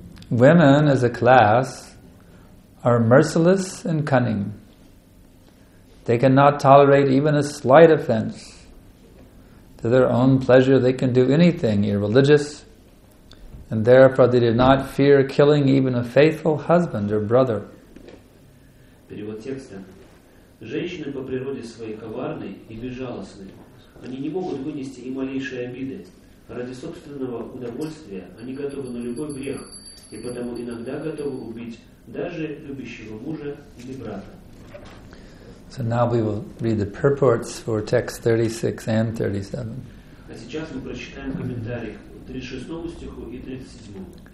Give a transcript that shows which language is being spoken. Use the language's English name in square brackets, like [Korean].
[English] Women as a class are merciless and cunning. They cannot tolerate even a slight offense. To their own pleasure, they can do anything irreligious, and therefore they did not fear killing even a faithful husband or brother. [Russian] Перевод текста. Женщины по природе своей коварны и безжалостны. Они не могут вынести ни малейшей обиды. Ради собственного удовольствия они готовы на любой грех, и потому иногда готовы убить даже любящего мужа или брата. [English] So now we will read the purports for text 36 and 37. [Russian] А сейчас мы прочитаем комментарий к 36 стиху и 37.